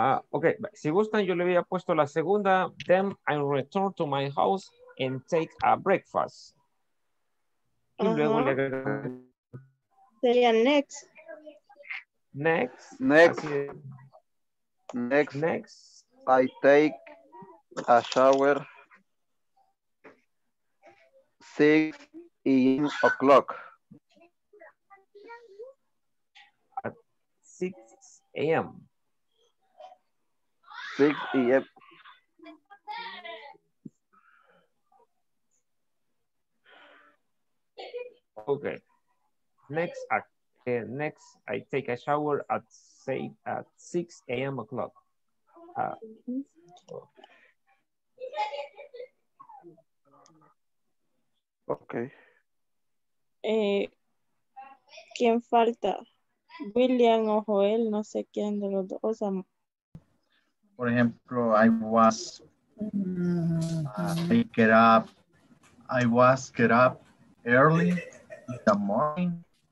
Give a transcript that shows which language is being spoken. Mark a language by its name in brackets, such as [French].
[Spanish] Ok, si gustan, yo le había puesto la segunda. [English] Then I return to my house and take a breakfast. [Spanish] Y luego le agrego. Sería next. [English] Next. Next. Next. Next. I take a shower. 6 o'clock. At 6 a.m. 6 a.m. Okay. Next, next, I take a shower at say at 6 a.m. o'clock. Okay. [Spanish] ¿Quién falta? William o Joel, no sé quién de los dos. Por ejemplo, [English] I was get up early in the morning.